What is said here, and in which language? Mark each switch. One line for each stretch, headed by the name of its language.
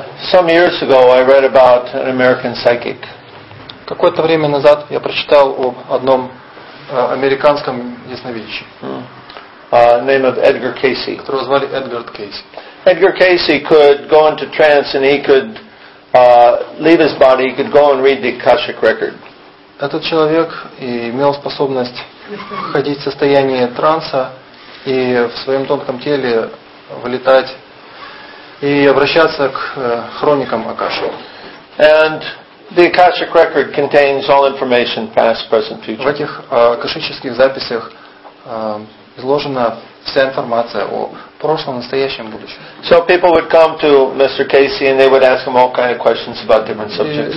English: Some years ago, I read about an American psychic.
Russian: Какое-то время назад я прочитал об одном американском ясновидящем.
English: Name of Edgar Cayce.
Russian: Которого звали Эдгард Кейси.
English: Edgar Cayce could go into trance and he could leave his body, he could go and read the Akashic record.
Russian: Этот человек имел способность входить в состояние транса и в своем тонком теле вылетать и обращаться к хроникам Акаши.
English: And the Akashic record contains all information past, present, future.
Russian: В этих акашических записях изложена вся информация о прошлом, настоящем, будущем.
English: So people would come to Mr. Cayce and they would ask him all kind of questions about different subjects.